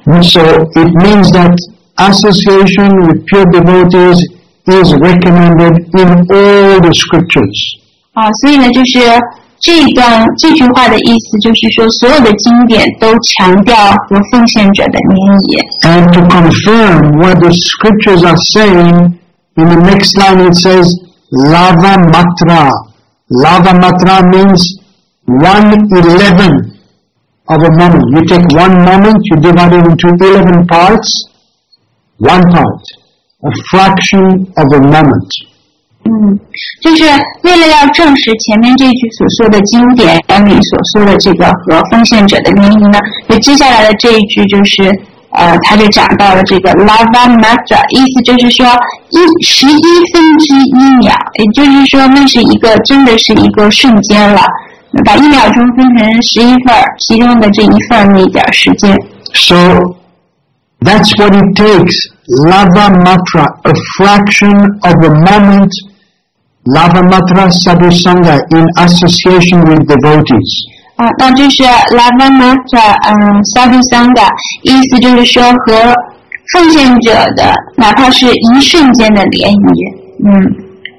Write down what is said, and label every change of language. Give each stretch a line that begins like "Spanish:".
English: So it means that association with pure devotees is recommended in all the scriptures.
Chinese: 所以呢，就是这句话的意思，就是说所有的经典都强调和奉献者的联谊。
English: And to confirm what the scriptures are saying, in the next line it says. Lava matra. Lava matra means 1/11 of a moment. You take one moment, you divide it into 11 parts, one part, a fraction of a moment.
Chinese: 就是为了要证实前面这句所说的经典里所说的这个和奉献者的原因呢，就接下来的这一句就是他就讲到了这个 lava matra， 意思就是说11/1秒，也就是说那是一个真的是一个瞬间了，把一秒钟分成11份，其中的这一份那点时间。
English: So that's what it takes, lava matra, a fraction of a moment, lava matra sadhusanga in association with devotees。
Chinese: 那就是 lava matra sadhusanga， 意思就是说和奉献者的哪怕是一瞬间的联谊。